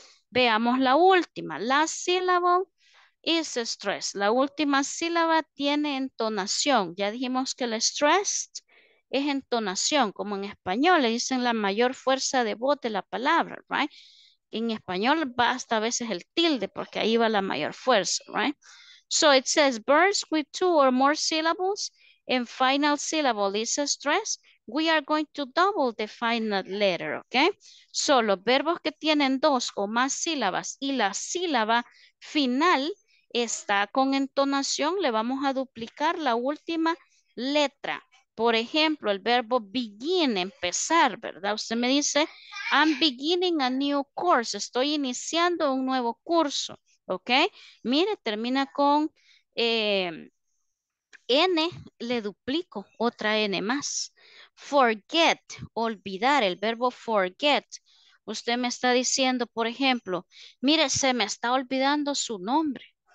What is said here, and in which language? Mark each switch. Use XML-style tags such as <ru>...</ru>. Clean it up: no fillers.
<es>Veamos la última, la</es> <en>syllable is stressed.</en> <es>La última sílaba tiene entonación. Ya dijimos que el stressed es entonación, como en español, le dicen la mayor fuerza de voz de la palabra, right? En español va hasta a veces el tilde, porque ahí va la mayor fuerza, right?</es> <en>So it says, birds with two or more syllables and final syllable is stressed, we are going to double the final letter, okay?</en> <es>So los verbos que tienen dos o más sílabas y la sílaba final está con entonación, le vamos a duplicar la última letra. Por ejemplo, el verbo begin, empezar, ¿verdad? Usted me dice,</es> <en>I'm beginning a new course.</en> <es>Estoy iniciando un nuevo curso, ¿ok? Mire, termina con N, le duplico otra N más. Forget, olvidar, el verbo forget. Usted me está diciendo, por ejemplo, mire, se me está olvidando su nombre.</es>